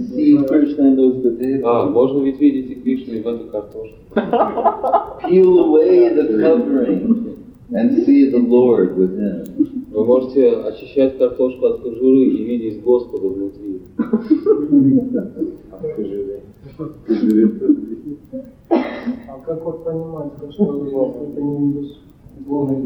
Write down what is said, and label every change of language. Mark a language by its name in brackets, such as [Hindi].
[Russian] Можно ведь видеть и Кришну, и в эту картошку. [English] Peel away the covering and see the Lord within. [Russian] Вы можете очищать картошку от кожуры и видеть Господа внутри. От кожуры. А как вот понимать, что это не Бог, это не Бог, это не